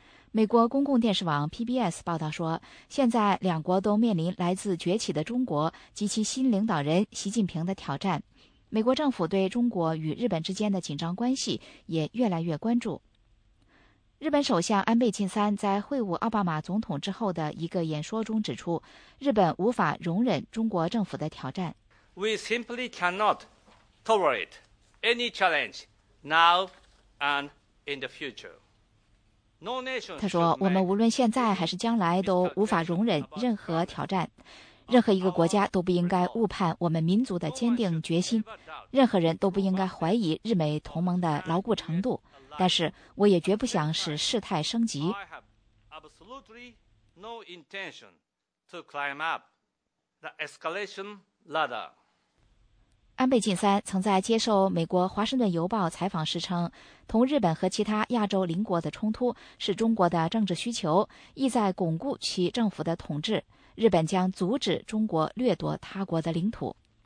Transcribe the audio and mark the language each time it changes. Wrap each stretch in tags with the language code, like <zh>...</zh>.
<zh>美国公共电视网 PBS 报道说，现在两国都面临来自崛起的中国及其新领导人习近平的挑战，美国政府对中国与日本之间的紧张关系也越来越关注。日本首相安倍晋三在会晤奥巴马总统之后的一个演说中指出，日本无法容忍中国政府的挑战。</zh> <en>We simply cannot tolerate any challenge now and in the future. No nation.</en> <zh>他说：“我们无论现在还是将来都无法容忍任何挑战，任何一个国家都不应该误判我们民族的坚定决心，任何人都不应该怀疑日美同盟的牢固程度。但是，我也绝不想使事态升级。</zh> <en>I have absolutely no intention to climb up the escalation.”</en> <zh>安倍晋三曾在接受美国《华盛顿邮报》采访时称，同日本和其他亚洲邻国的冲突是中国的政治需求，意在巩固其政府的统治，日本将阻止中国掠夺他国的领土。</zh>